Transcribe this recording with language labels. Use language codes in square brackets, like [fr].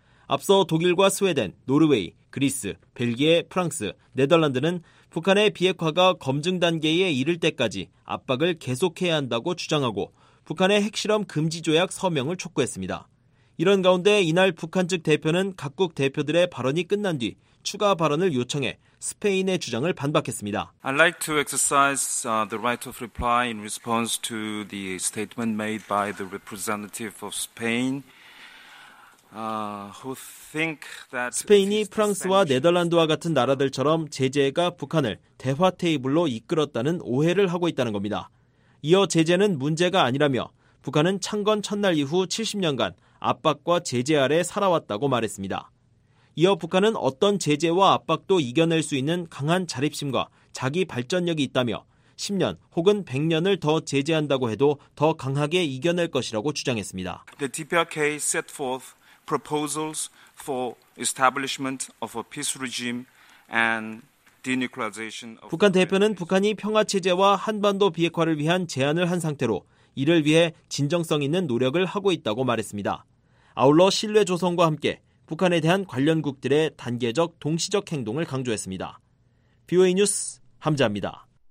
[ko] 앞서 독일과 스웨덴, 노르웨이, 그리스, 벨기에, 프랑스, 네덜란드는 북한의 비핵화가 검증 단계에 이를 때까지 압박을 계속해야 한다고 주장하고 북한의 핵실험 금지 조약 서명을 촉구했습니다. 이런 가운데 이날 북한 측 대표는 각국 대표들의 발언이 끝난 뒤 추가 발언을 요청해 스페인의 주장을 반박했습니다. [en] I'd like to exercise the right of reply in response to the statement made by the representative of Spain. Who think that [ko] 스페인이 프랑스와 네덜란드와 같은 나라들처럼 제재가 북한을 대화 테이블로 이끌었다는 오해를 하고 있다는 겁니다. 이어 제재는 문제가 아니라며 북한은 창건 첫날 이후 70년간 압박과 제재 아래 살아왔다고 말했습니다. 이어 북한은 어떤 제재와 압박도 이겨낼 수 있는 강한 자립심과 자기 발전력이 있다며 10년 혹은 100년을 더 제재한다고 해도 더 강하게 이겨낼 것이라고 주장했습니다. [en] The DPRK set forth proposals for establishment of a peace regime and denuclearization of [ko] 북한 대표는 북한이 평화 체제와 한반도 비핵화를 위한 제안을 한 상태로 이를 위해 진정성 있는 노력을 하고 있다고 말했습니다. 아울러 신뢰 조성과 함께 북한에 대한 관련국들의 단계적 동시적 행동을 강조했습니다. BOA 뉴스 함자입니다.